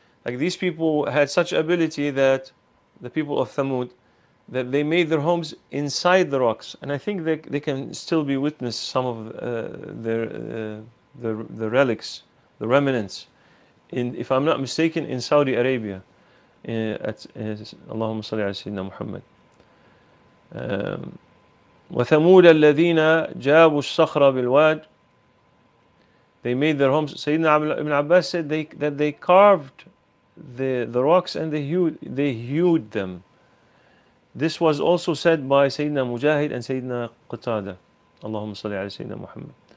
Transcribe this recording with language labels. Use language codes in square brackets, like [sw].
[en] Like these people had such ability that the people of Thamud, that they made their homes inside the rocks, and I think they can still be witnessed some of the relics, the remnants, if I'm not mistaken, in Saudi Arabia, at [ar] Allahumma salli ala Sayyidina Muhammad. وثمود الذين جابوا الصخرة بالواد. [en] They made their homes. Sayyidina Ibn Abbas said that they carved the rocks and they hewed them. This was also said by Sayyidina Mujahid and Sayyidina Qatada. [ar] Allahumma salli ala Sayyidina Muhammad.